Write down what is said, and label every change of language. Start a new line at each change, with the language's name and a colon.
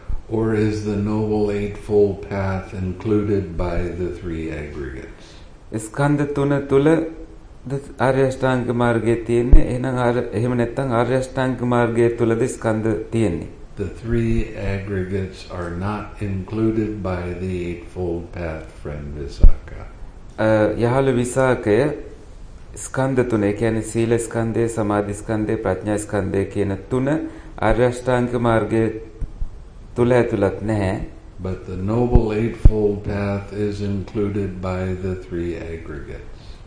English: Or is the Noble Eightfold Path included by the three aggregates?
Sinhala: ස්කන්ධ තුන තුල ආර්යෂ්ටාංගික මාර්ගයේ තියෙන්නේ. එහෙනම් එහෙම නැත්නම් ආර්යෂ්ටාංගික මාර්ගයේ තුලද ස්කන්ධ තියෙන්නේ?
English: The three aggregates are not included by the Eightfold Path, friend Visakha.
Sinhala: යහළු විසාකය ස්කන්ධ තුන, ඒ කියන්නේ සීල ස්කන්ධය, සමාධි ස්කන්ධය, ප්‍රඥා ස්කන්ධය කියන තුන ආර්ය අෂ්ටාංගික මාර්ගයේ තුල ඇතුළත් නැහැ.
English: But the Noble Eightfold Path is included by the three aggregates.